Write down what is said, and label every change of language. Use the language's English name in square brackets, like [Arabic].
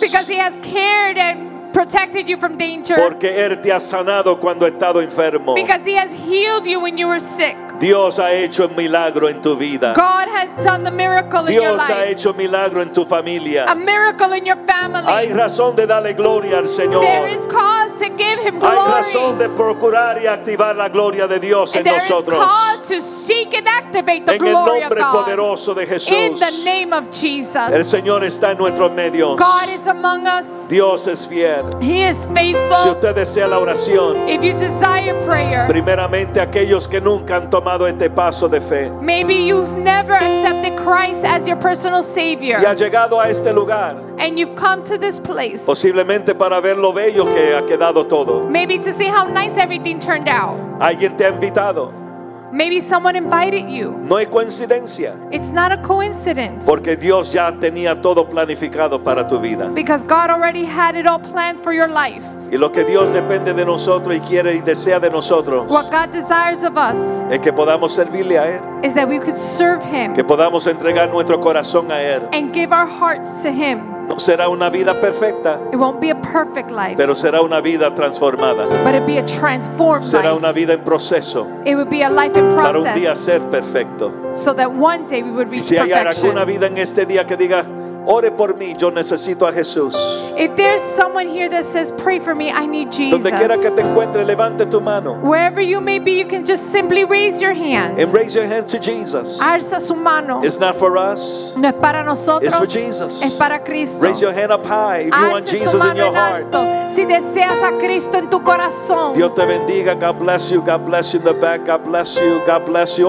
[English] Because he has cared and protected you from danger. [Spanish] Porque él te ha sanado cuando he estado enfermo. [English] Because he has healed you when you were sick. [Spanish] Dios ha hecho un milagro en tu vida. [English] God has done the miracle [Spanish] Dios [English] in your life. [Spanish] Dios ha hecho un milagro en tu familia. [English] A miracle in your family. [Spanish] Hay razón de darle gloria al Señor. [English] There is cause to give him glory. [Spanish] Hay razón de procurar y activar la gloria de Dios en [English] There [Spanish] nosotros. [English] There is cause to seek and activate the [Spanish] en [English] glory of God. [Spanish] En el nombre poderoso de Jesús. [English] In the name of Jesus. [Spanish] El Señor está en nuestro medio. [English] God is among us. [Spanish] Dios es fiel. [English] He is faithful. [Spanish] Si usted desea la oración, [English] if you desire prayer, [Spanish] primeramente aquellos que nunca han tomado este paso de fe, [English] maybe you've never accepted Christ as your personal Savior, [Spanish] y ha llegado a este lugar, [English] and you've come to this place, [Spanish] posiblemente para ver lo bello que ha quedado todo, [English] maybe to see how nice everything turned out. [Spanish] Alguien te ha invitado. [English] Maybe someone invited you. [Spanish] No es coincidencia. [English] It's not a coincidence. [Spanish] Porque Dios ya tenía todo planificado para tu vida. [English] Because God already had it all planned for your life. [Spanish] Y lo que Dios depende de nosotros y quiere y desea de nosotros. [English] What God desires of us. [Spanish] Es que podamos servirle a él. [English] Is that we could serve him. [Spanish] Que podamos entregar nuestro corazón a él. [English] And give our hearts to him. [Spanish] No será una vida perfecta. [English] It won't be a perfect life. [Spanish] Pero será una vida transformada. [English] But it'll be a transformed life. [Spanish] Será una vida en proceso. [English] It will be a life in process. [Spanish] Para un día ser perfecto. [English] So that one day we would reach [Spanish] Si hay alguna vida en este día que diga, Ore por mí, yo necesito a Jesús. [English] If there's someone here that says, pray for me, I need Jesus. [Spanish] Donde quiera que te encuentre, levante tu mano. [English] Wherever you may be, you can just simply raise your hand. And raise your hand to Jesus. [Spanish] Alza su mano. [English] It's not for us. [Spanish] No es para nosotros. [English] It's for Jesus. [Spanish] Es para Cristo. [English] Raise your hand up high if you want Jesus in your heart. [Spanish] Si deseas a Cristo en tu corazón. Dios te bendiga. [English] God bless you. God bless you in the back. God bless you. God bless you.